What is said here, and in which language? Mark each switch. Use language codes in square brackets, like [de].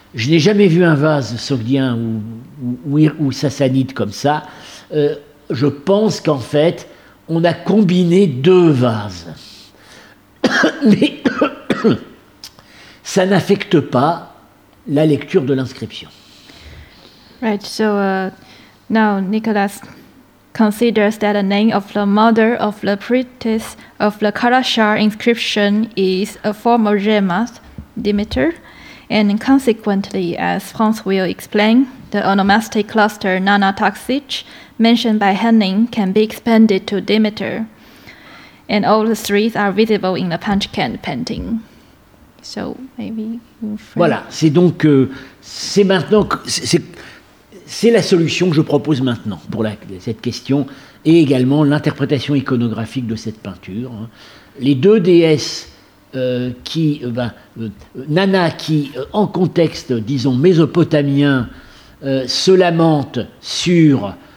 [fr] Je n'ai jamais vu un vase sogdien ou sassanide comme ça. Je pense qu'en fait, on a combiné deux vases. Mais ça n'affecte pas la lecture de l'inscription. [en] Right, so now Nicholas considers that the name of the mother of the priestess of the Karashar inscription is a form of Jemas, Demeter, and consequently, as Franz will explain, the onomastic cluster Nana Taksich mentioned by Henning can be expanded to Demeter, and all the three are visible in the Panchkant painting. So maybe [fr] voilà, c'est donc c'est maintenant c'est la solution que je propose maintenant pour cette question et également l'interprétation iconographique de cette peinture. Les deux déesses Nana qui en contexte disons mésopotamien se lamente sur